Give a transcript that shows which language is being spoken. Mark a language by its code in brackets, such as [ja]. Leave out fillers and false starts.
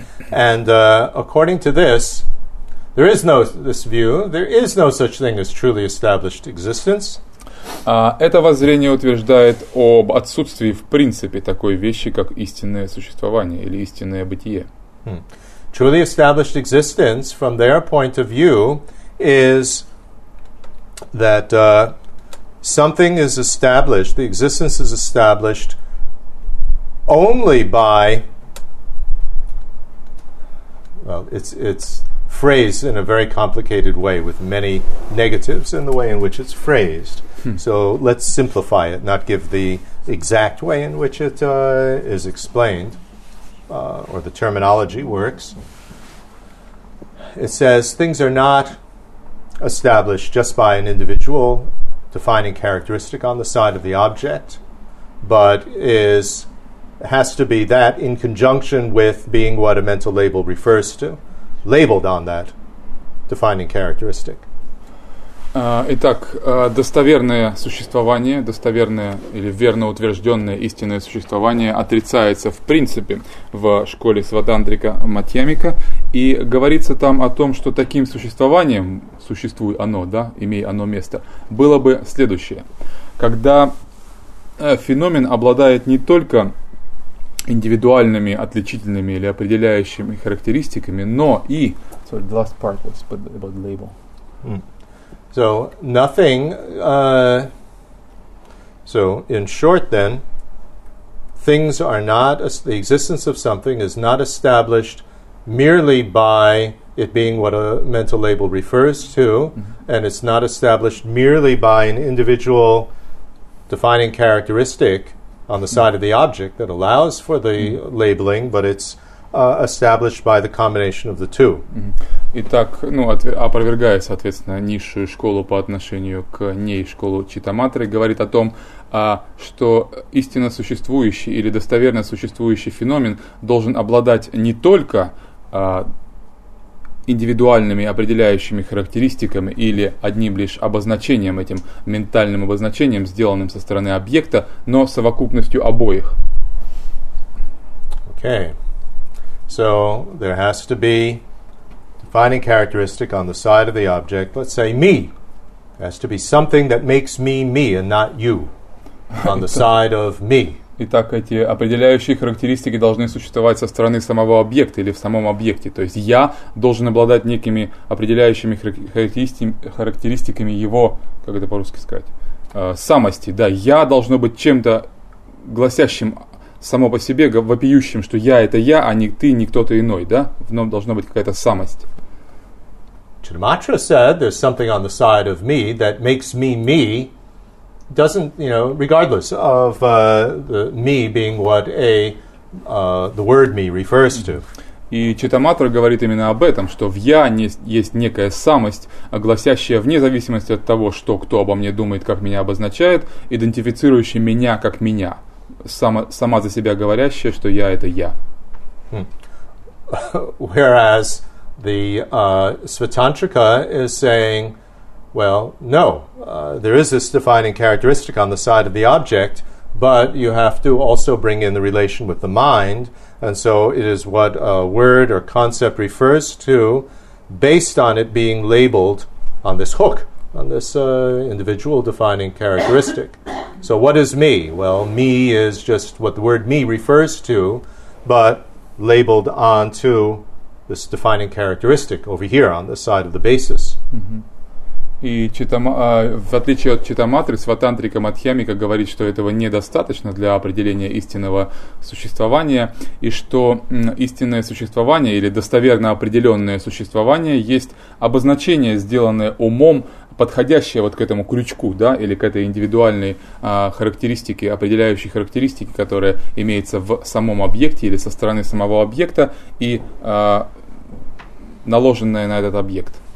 [en] And according to this, there is no, this view, there is no such thing as truly established existence. [ru] Это воззрение утверждает об отсутствии в принципе такой вещи, как истинное существование или истинное бытие. Hmm. [en] Truly established existence, from their point of view, is that something is established, the existence is established only by, well, it's phrased in a very complicated way with many negatives in the way in which it's phrased. So let's simplify it, not give the exact way in which it is explained, or the terminology works. It says things are not established just by an individual defining characteristic on the side of the object, but is has to be that in conjunction with being what a mental label refers to, labeled on that defining characteristic. [ru] Итак, достоверное существование, достоверное или верно утвержденное истинное существование отрицается в принципе в школе сватантрика Мадхьямика, и говорится там о том, что таким существованием, существует оно, да, имея оно место, было бы следующее. Когда феномен обладает не только индивидуальными, отличительными или определяющими характеристиками, но и... [en] Sorry, the last part was about the label. Mm. So nothing, so in short then, things are not, the existence of something is not established merely by it being what a mental label refers to, mm-hmm. and it's not established merely by an individual defining characteristic on the side mm-hmm. of the object that allows for the mm-hmm. labeling, but it's established by the combination of the two. [ru] Итак, ну, опровергая, соответственно, низшую школу по отношению к ней, школу читаматоры, говорит о том, что истинно существующий или достоверно существующий феномен должен обладать не только индивидуальными определяющими характеристиками или одним лишь обозначением, этим ментальным обозначением, сделанным со стороны объекта, но совокупностью обоих. [en] Okay. So, there has to be defining characteristic on the side of the object, let's say me. There has to be something that makes me me and not you on the side of me. [ru] Итак, эти определяющие характеристики должны существовать со стороны самого объекта или в самом объекте. То есть я должен обладать некими определяющими характеристиками его, как это по-русски сказать, самости. Да, я должно быть чем-то гласящим само по себе, вопиющим, что я это я, а не ты, не кто-то иной, да? В нем должна быть какая-то самость. [en] Chittamatra said there's something on the side of me that makes me me. Doesn't, you know, regardless of the me being what the word me refers to. [ru] И читаматор говорит именно об этом, что в я не, есть некая самость, огласящая вне зависимости от того, что кто обо мне думает, как меня обозначает, идентифицирующая меня как меня, сама за себя говорящая, что я это я. [en] Whereas the Svatantrika is saying, well, no, there is this defining characteristic on the side of the object, but you have to also bring in the relation with the mind, and so it is what a word or concept refers to based on it being labeled on this hook, on this individual defining characteristic. So what is me? Well, me is just what the word me refers to, but labeled onto this defining characteristic over here on the side of the basis. Mm-hmm. [ru] И в отличие от читаматры, сватантрика Мадхьямика говорит, что этого недостаточно для определения истинного существования, и что истинное существование или достоверно определенное существование есть обозначение, сделанное умом, подходящее вот к этому крючку, да, или к этой индивидуальной характеристике, определяющей характеристике, которая имеется в самом объекте или со стороны самого объекта и наложенное на этот объект.